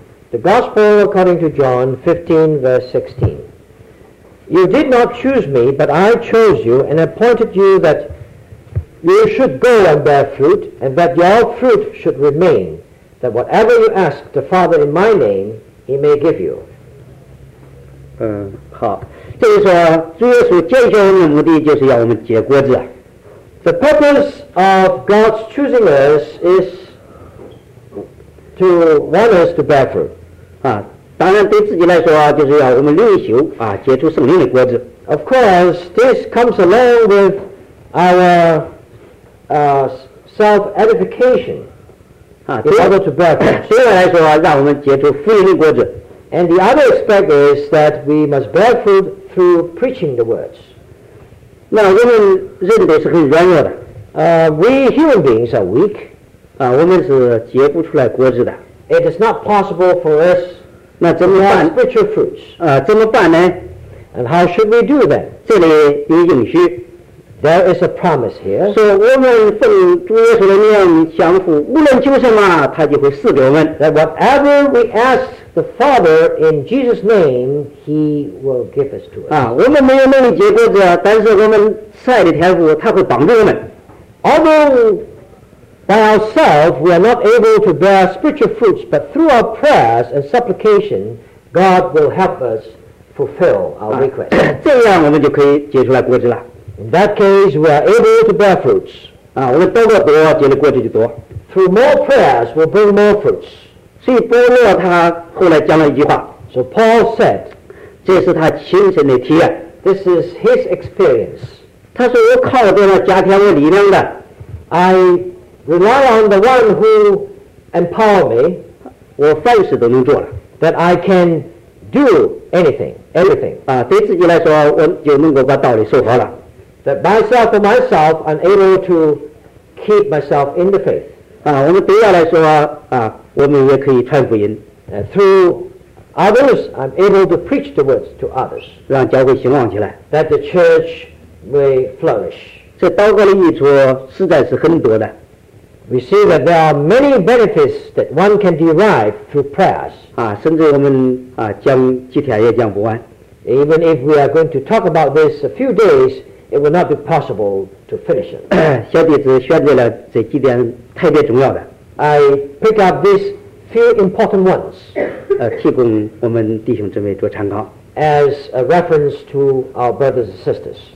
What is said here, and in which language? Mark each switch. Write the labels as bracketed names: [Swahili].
[English] The Gospel according to John 15, verse 16. You did not choose me, but I chose you and appointed you that you should go and bear fruit, and that your fruit should remain, that whatever you ask the Father in my name, he may give you. [Chinese] 好，就是说，主耶稣拣选我们的目的就是要我们结果子。 [English] The purpose of God's choosing us is. To want us to bear fruit. [Chinese] 啊，当然对自己来说啊，就是要我们灵修啊，结出圣灵的果子。 [English] Of course, this comes along with our self edification. 啊， [Chinese] 对。 [English] In order to bear fruit. [Chinese] 对我来说啊，让我们结出福音的果子。 [English] And the other aspect is that we must bear fruit through preaching the words. [Chinese] 那我们人都是很软弱的。 [English] We human beings are weak. [Chinese] 啊，我们是结不出来果子的。 [English] It is not possible for us. [Chinese] 那怎么办 [English] ？Spiritual fruits. [Chinese] 啊，怎么办呢 [English] ？And how should we do that? [Chinese] 这里有应许。 [English] There is a promise here. [Chinese] 说我们奉主耶稣的名相父，无论求什么，他就会赐给我们。 [English] That whatever we ask the Father in Jesus' name, He will give us to us. [Chinese] 啊，我们没有能力结果子，但是我们慈爱的天父他会帮助我们。 [English] By ourselves, we are not able to bear spiritual fruits, but through our prayers and supplication, God will help us fulfill our request. [Chinese] 这样我们就可以结出来果子了。 [English] In that case, we are able to bear fruits. [Chinese] 啊，我们祷告多，结的果子就多。 [English] Through more prayers, we'll bring more fruits. [Chinese] 所以保罗他后来讲了一句话。 [English] So Paul said, [Chinese] 这是他亲身的体验。 [English] This is his experience. [Chinese] 他说我靠着那加添我力量的 [English] I. Rely on the one who empowered me, that I can do anything, everything. [Chinese] 啊，对自己来说，我就能够把道理守好了。 [English] That myself for myself, I'm able to keep myself in the faith. [Chinese] 啊，我们对外来说啊，我们也可以传福音。 [English] And through others, I'm able to preach the words to others. [Chinese] 让教会兴旺起来。 [English] That the church may flourish. [Chinese] 这祷告的益处实在是很多的。 [English] We see that there are many benefits that one can derive through prayers. [Chinese] 啊，甚至我们啊讲几天也讲不完。 [English] Even if we are going to talk about this a few days, it will not be possible to finish it. [Chinese] 小弟子选择了这几点特别重要的。 [English] I pick up these few important ones. [Chinese] 提供我们弟兄姊妹做参考。 [English] As a reference to our brothers and sisters.